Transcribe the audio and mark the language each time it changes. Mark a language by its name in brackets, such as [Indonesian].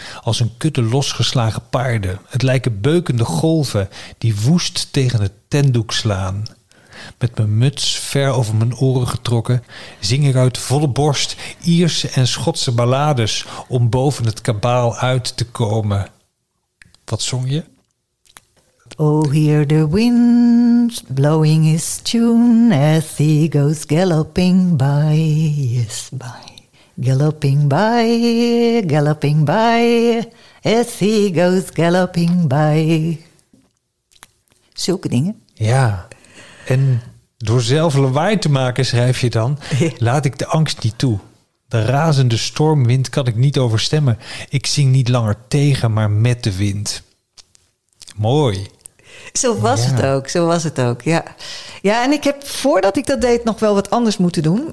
[Dutch] Als een kudde losgeslagen paarden. Het lijken beukende golven die woest tegen het tentdoek slaan. Met mijn muts ver over mijn oren getrokken, zing ik uit volle borst Ierse en Schotse ballades om boven het kabaal uit te komen. Wat zong je? [English] Oh, hear the wind blowing his tune as he goes galloping by, yes, by. Galloping by, galloping by, as he goes galloping by. [Dutch] Zulke dingen. Ja, en door zelf lawaai te maken, schrijf je dan, laat ik de angst niet toe. De razende stormwind kan ik niet overstemmen. Ik zing niet langer tegen, maar met de wind. Mooi. Zo was het ook, zo was het ook, ja. Ja, en ik heb voordat ik dat deed nog wel wat anders moeten doen.